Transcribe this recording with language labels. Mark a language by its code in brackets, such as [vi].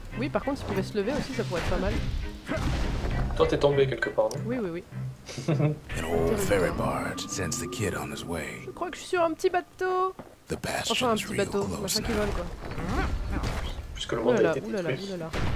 [fr] Oui, par contre, s'il pouvait se lever aussi, ça pourrait être pas mal. Toi, t'es tombé quelque part, non? Oui. [en] An old ferry barge sends the kid on his way. [fr] Je crois que je suis sur un petit bateau. Enfin, un petit bateau, machin qui vole, quoi. Puisque le monde oulala, a été oulala, détruit. Oulala.